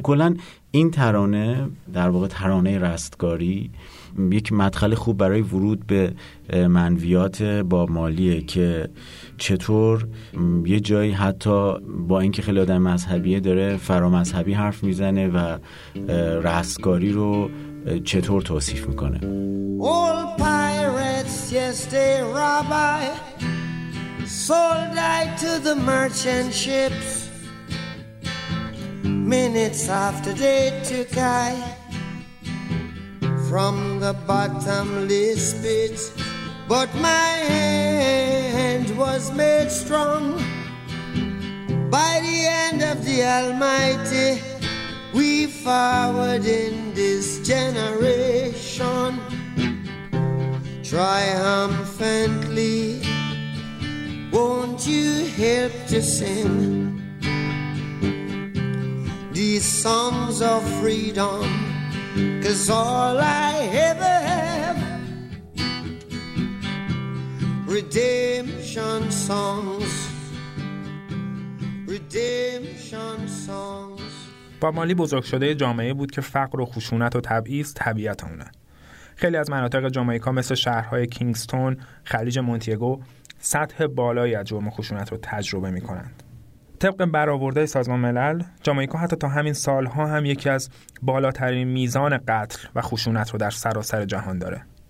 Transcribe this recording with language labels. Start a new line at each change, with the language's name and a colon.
Persian: کلن این ترانه در واقع ترانه رستگاری یک مدخل خوب برای ورود به منویات باب مارلیه که چطور یه جایی حتی با اینکه خیلی آدم مذهبیه داره فرامذهبی حرف میزنه و رستگاری رو چطور توصیف میکنه.
English: All pirates, yes they rabbi, sold I to the merchant ships. Minutes after they took I from the bottomless pit. But my hand was made strong by the hand of the Almighty. We forward in this generation triumphantly. Won't you help to sing these songs of freedom? 'Cause all I ever have, redemption songs, redemption songs.
Persian: باب مارلی بزرگ شده جامعه بود که فقر و خشونت و تبعیض طبیعت اونه. خیلی از مناطق جامائیکا مثل شهرهای کینگستون، خلیج مونتیگو سطح بالایی از جرم خشونت رو تجربه می کنند. طبق برآورده سازمان ملل، جامائیکا حتی تا همین سالها هم یکی از بالاترین میزان قتل و خشونت رو در سراسر جهان داره.